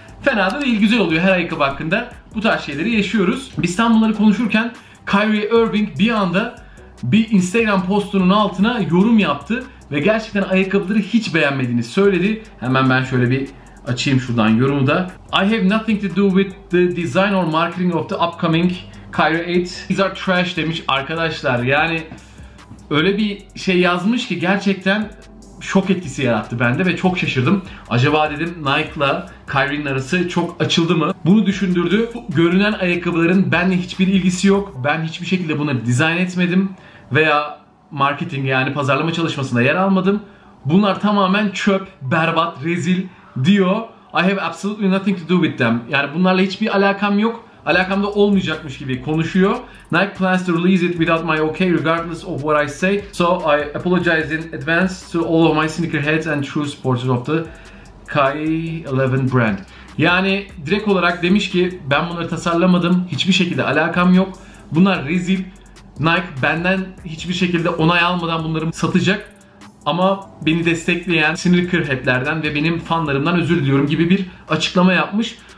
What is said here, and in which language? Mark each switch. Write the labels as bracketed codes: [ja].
[tr] Fena da değil, güzel oluyor her ayakkabı hakkında. Bu tarz şeyleri yaşıyoruz. Biz tam bunları konuşurken Kyrie Irving bir anda bir Instagram postunun altına yorum yaptı ve gerçekten ayakkabıları hiç beğenmediğini söyledi. Hemen ben şöyle bir açayım şuradan yorumu da. [en] I have nothing to do with the design or marketing of the upcoming Kyrie 8. These are trash [tr] demiş arkadaşlar. Yani öyle bir şey yazmış ki gerçekten şok etkisi yarattı bende ve çok şaşırdım. Acaba dedim Nike'la Kyrie'nin arası çok açıldı mı? Bunu düşündürdü. Görünen ayakkabıların benimle hiçbir ilgisi yok. Ben hiçbir şekilde bunları dizayn etmedim veya marketing yani pazarlama çalışmasında yer almadım. Bunlar tamamen çöp, berbat, rezil diyor. [en] I have absolutely nothing to do with them. [tr] Yani bunlarla hiçbir alakam yok. Alakam da olmayacakmış gibi konuşuyor. [en] Nike plans to release it without my okay regardless of what I say. So I apologize in advance to all of my sneakerheads and true supporters of the Kyrie 11 brand. [tr] Yani direkt olarak demiş ki ben bunları tasarlamadım. Hiçbir şekilde alakam yok. Bunlar rezil. Nike benden hiçbir şekilde onay almadan bunları satacak. Ama beni destekleyen sneakerheadlerden ve benim fanlarımdan özür diliyorum gibi bir açıklama yapmış.